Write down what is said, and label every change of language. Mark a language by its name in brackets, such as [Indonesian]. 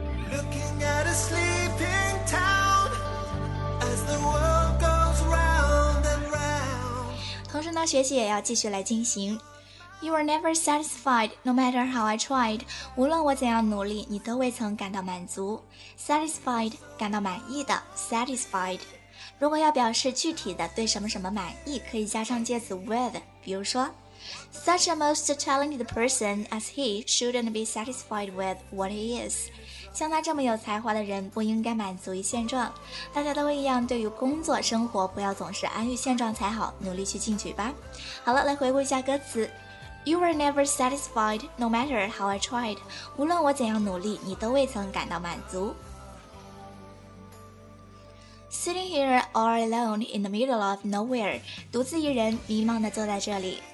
[English] Looking at a sleeping town as the world goes round and round。 [Chinese] 同时呢，学习也要继续来进行。 [English] You were never satisfied, no matter how I tried. [Chinese] 无论我怎样努力，你都未曾感到满足。 Satisfied, 感到满意的。Satisfied. 如果要表示具体的对什么什么满意，可以加上介词 with. 比如说 [English] ，Such a most talented person as he shouldn't be satisfied with what he is. [Chinese] 像他这么有才华的人，不应该满足于现状。大家都一样，对于工作生活，不要总是安于现状才好，努力去进取吧。好了，来回顾一下歌词。 [English] You were never satisfied, no matter how I tried. [Chinese] 无论我怎样努力，你都未曾感到满足。 [English] Sitting here all alone in the middle of nowhere. [Chinese] 独自一人，迷茫地坐在这里。